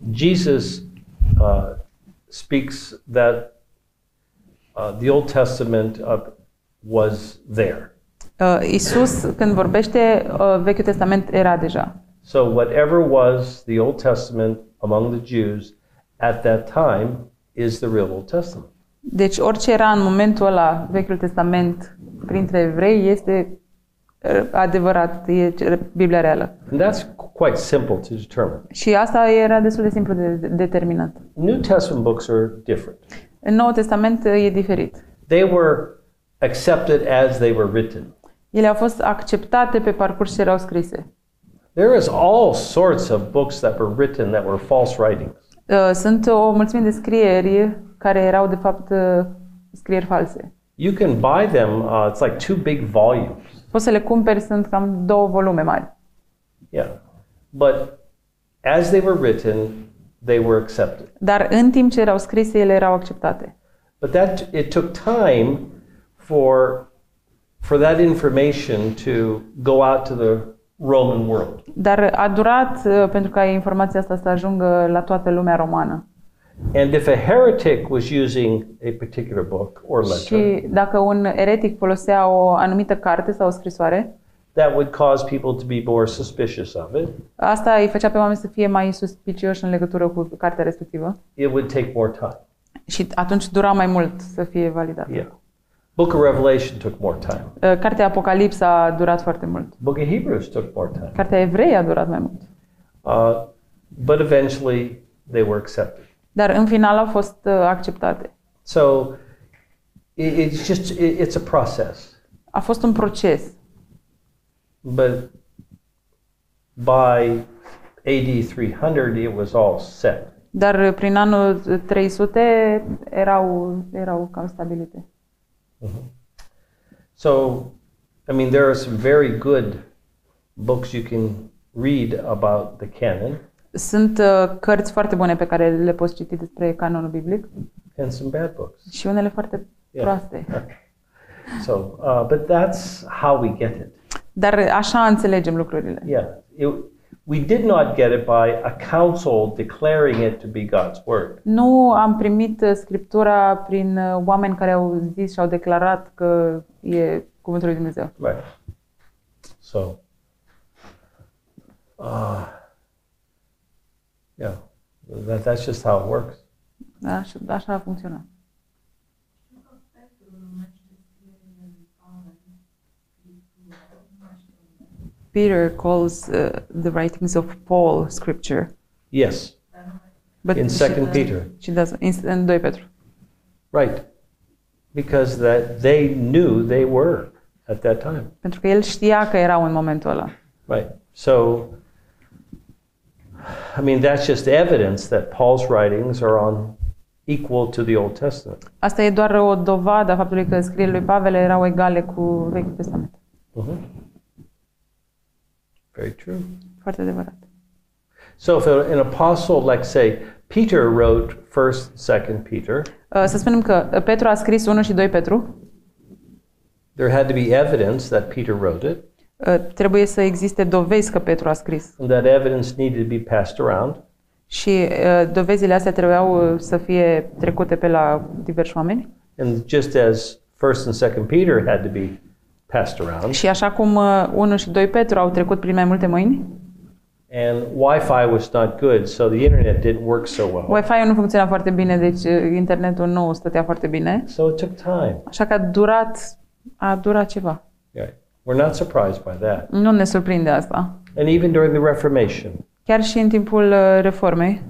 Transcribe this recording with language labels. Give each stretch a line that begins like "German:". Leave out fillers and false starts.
English: Jesus speaks that the Old Testament was there.
Romanian: Iisus când vorbește, Vechiul Testament era deja.
English: So whatever was the Old Testament among the Jews at that time is the real Old Testament.
Romanian: Deci orice era în momentul ăla Vechiul Testament printre evrei este adevărat, e Biblia reală.
English: And that's quite simple to determine.
Romanian: Și asta era destul de simplu de determinat.
English: New Testament books are different.
Romanian: În Noul Testament e diferit.
English: They were accepted as they were written.
Romanian: Ele au fost acceptate pe parcurs ce erau scrise.
English: There is all sorts of books that were written that were false writings.
Romanian: Sunt o mulțime de scrieri care erau de fapt scrieri false.
English: You can buy them, it's like two big volumes.
Romanian: Poți să le cumperi, sunt cam două volume mari.
English: Yeah. But as they were written, they were accepted.
Romanian: Dar în timp ce erau scrise, ele erau acceptate.
English: But that it took time for that information to go out to the Roman world.
Romanian: Dar a durat pentru ca informația asta să ajungă la toată lumea romană.
English: And if a heretic was using a particular book or letter.
Romanian: Și dacă un eretic folosea o anumită carte sau o scrisoare,
English: that would cause people to be more suspicious of it.
Romanian: Asta îi făcea pe oameni să fie mai suspicioși în legătură cu cartea respectivă.
English: It would take more time.
Romanian: Și atunci dura mai mult să fie validat.
English: Yeah. Book of Revelation took more time.
Romanian: Cartea Apocalipsa a durat foarte mult.
English: Book of Hebrews took more time.
Romanian: Cartea Evrei a durat mai mult.
English: But eventually they were accepted.
Romanian: Dar în final au fost acceptate.
English: So it's a process.
Romanian: A fost un proces.
English: But by AD 300 it was all set.
Romanian: Dar prin anul 300 erau cam stabilite. Mm-hmm.
English: So, I mean, there are some very good books you can read about the canon.
Romanian: Sunt cărți foarte bune pe care le poți citi despre canonul biblic.
English: And some bad books.
Romanian: Și unele foarte proaste.
English: So, but that's how we get it.
Romanian: Dar așa înțelegem lucrurile.
English: Yeah. We did not get it by a council declaring it to be God's word.
Romanian: Nu am primit scriptura prin oameni care au zis și au declarat că e cuvântul lui Dumnezeu.
English: Right. So, that's just how it works.
Romanian: Așa funcționa.
English: Peter calls the writings of Paul scripture. Yes. But in 2 Peter. She doesn't. In 2 Petru. Right. Because that they knew they were at that time.
Romanian: Pentru că el știa că erau în momentul ăla.
English: Right. So, I mean, that's just evidence that Paul's writings are on equal to the Old Testament.
Romanian: Asta e doar o dovadă a faptului că scrierile lui Pavel erau egale cu Vechiul Testament.
English: Very true.
Romanian: Foarte adevărat.
English: So if an apostle, like say, Peter wrote 1st, 2nd Peter.
Romanian: Să spunem că Petru a scris 1 și 2 Petru.
English: There had to be evidence that Peter wrote it.
Romanian: Trebuie să existe dovezi că Petru a scris.
English: And that evidence needed to be passed around.
Romanian: Și dovezile astea trebuiau să fie trecute pe la diversi oameni.
English: And just as 1st and 2nd Peter had to be passed around.
Romanian: Și așa cum 1 și 2 Petru au trecut prin mai multe mâini.
English: And Wi-Fi was not good, so the internet didn't work so well.
Romanian: Wi-Fi-ul nu funcționa foarte bine, deci internetul nu stătea foarte bine.
English: So it took time.
Romanian: Așa că a durat ceva.
English: Yeah. We're not surprised by that.
Romanian: Nu ne surprinde asta.
English: And even during the Reformation.
Romanian: Chiar și în timpul reformei.